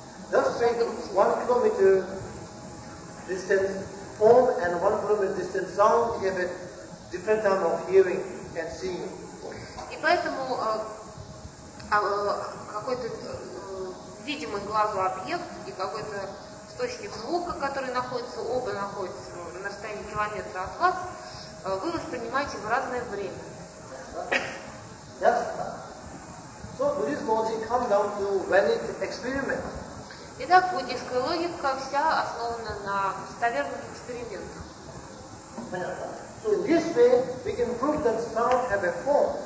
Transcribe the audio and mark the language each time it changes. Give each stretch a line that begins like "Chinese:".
English: 1 kilometer distance form and 1 kilometer distance sound have a different time of hearing and seeing.
Russian: И поэтому какой-то видимый глазу объект и какой-то источник звука, который находится, оба находятся на расстоянии километра от вас, вы воспринимаете в разное время.
English: Yes. So Buddhist logic comes down to valid experiment.
Russian: Итак, буддийская логика вся основана на достоверных экспериментах.
English: So in this way we can prove that sound have a form.